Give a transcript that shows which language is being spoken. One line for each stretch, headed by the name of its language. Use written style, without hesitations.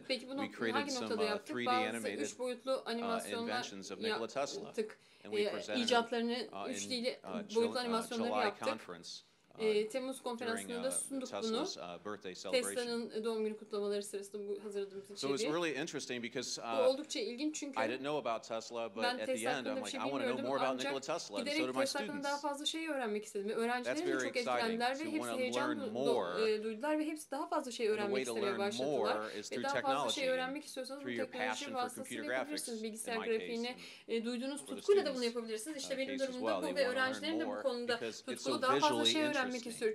Turkish: Peki bu noktada yaptık? Bazı 3D animated, 3 boyutlu animasyonlar yaptık. İcatlarını 3D ile boyutlu animasyonları yaptık. Temmuz konferansında da sunduk bunu. Tesla'nın doğum günü kutlamaları sırasında bu hazırladığımız içeriği.
English: So it was really interesting because
Turkish: bu oldukça ilginç çünkü
English: I didn't know about Tesla, but at the end I'm like, I want to know more about Nikola Tesla. And so did my students.
Turkish: Daha fazla şey öğrenmek istedim. Öğrencilerim de çok etkilendiler ve hepsi heyecan duydular ve hepsi daha fazla şey öğrenmek istemeye başladılar. Daha fazla şey öğrenmek istiyorsanız bu teknoloji vasıtasıyla yapabilirsiniz. Bilgisayar grafiğini duyduğunuz tutkuyla da bunu yapabilirsiniz. İşte benim durumumda bu ve öğrencilerim de bu konuda tutkulu daha fazla şey öğrenmek istiyor.